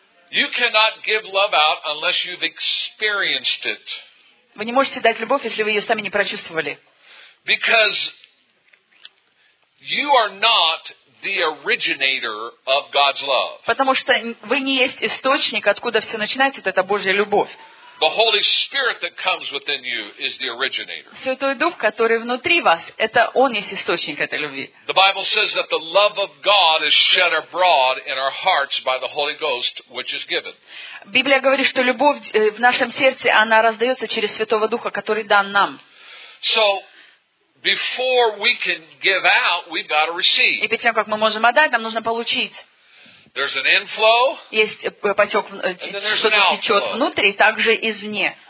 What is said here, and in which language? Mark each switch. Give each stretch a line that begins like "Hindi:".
English: You cannot give love out unless you've experienced it.
Russian: Вы не можете дать любовь, если вы ее сами не прочувствовали.
English: Because you are not the originator of God's love.
Russian: Потому что вы не есть источник, откуда все начинается, это Божья любовь.
English: The Holy Spirit that comes within you is the originator.
Russian: Святой Дух, который внутри вас, это Он есть источник этой любви.
English: The Bible says that the love of God is shed abroad in our hearts by the Holy Ghost, which is given.
Russian: Библия говорит, что любовь в нашем сердце, она раздается через Святого Духа, который дан нам.
English: So, before we can give out, we've got to receive.
Russian: И перед тем, как мы можем отдать, нам нужно получить.
English: There's an inflow.
Russian: Есть поток, что-то течет внутрь, также извне.